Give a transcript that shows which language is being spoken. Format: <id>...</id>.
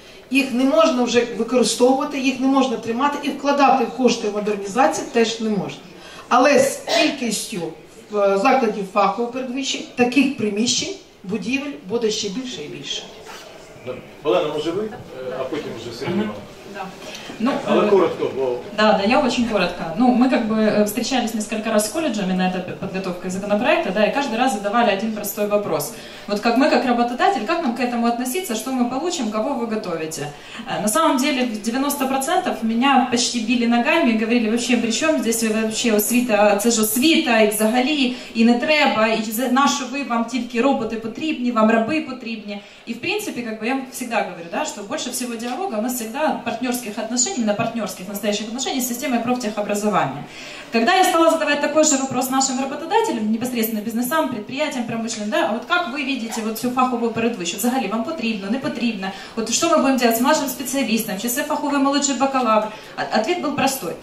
<uk>Їх не можна вже використовувати, їх не можна тримати і вкладати в кошти модернізації теж не можна. Але з кількістю закладів фахової передвищі таких приміщень будівель буде ще більше і більше. Олена, може ви, а потім вже Сергій. Коротко,</uk> <ru>я очень коротко. Ну, мы как бы встречались несколько раз с колледжами на этой подготовке законопроекта, да, и каждый раз задавали один простой вопрос. Вот как мы, как работодатель, как нам к этому относиться, что мы получим, кого вы готовите? На самом деле 90% меня почти били ногами и говорили, вообще при чем здесь вообще освіта,</ru> <uk>це ж освіта, і взагалі, і не треба, і на що ви, вам тільки роботи потрібні, вам раби потрібні.</uk> <ru>И в принципе, как бы я всегда говорю, да, что больше всего диалога у нас всегда партнерских отношений, именно партнерских настоящих отношений с системой профтехобразования. Когда я стала задавать такой же вопрос нашим работодателям, непосредственно бизнесам, предприятиям, промышленным, да, а вот как вы видите вот всю фаховую передвищу,</ru> <uk>взагалі вам потрібно, не потрібно,</uk> <ru>вот что мы будем делать с нашим специалистом,</ru> <uk>чи це фаховий молодший бакалавр,</uk> <ru>ответ был простой.</ru>